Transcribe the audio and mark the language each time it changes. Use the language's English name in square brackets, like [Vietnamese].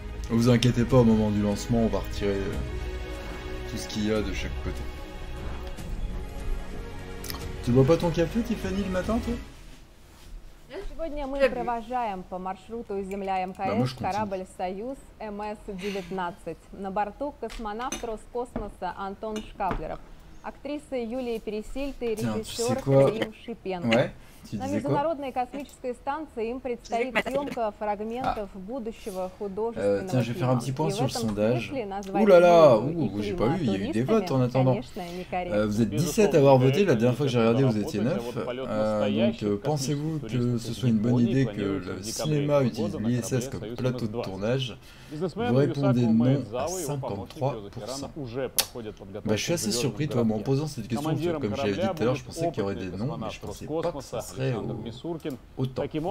[French] Ne vous inquiétez pas, au moment du lancement, on va retirer tout ce qu'il y a de chaque côté. Tu bois pas ton café, Tiffany, le matin, toi? [Russian] Сегодня мы провожаем по маршруту Земля МКС корабль «Союз» МС-19. На борту космонавт Роскосмоса Антон Шкаплеров, актриса Юлия Пересильд и режиссер Кирилл Шипенко. На Международной космической станции им предстоит съемка фрагментов будущего художественного фильма. [French] Tiens, je vais faire un petit point sur le sondage. Ouh là là, j'ai pas vu, il y a eu des votes en attendant. Vous êtes 17 à avoir voté, la dernière fois que j'ai regardé, vous étiez 9. Donc, pensez-vous que ce soit une bonne idée que le cinéma utilise l'ISS comme plateau de tournage? Vous répondez non à 53%. Bah, je suis assez surpris, toi, en posant cette question, comme j'avais dit tout à l'heure, je pensais qu'il y aurait des noms, mais je pensais pas que ça serait autant.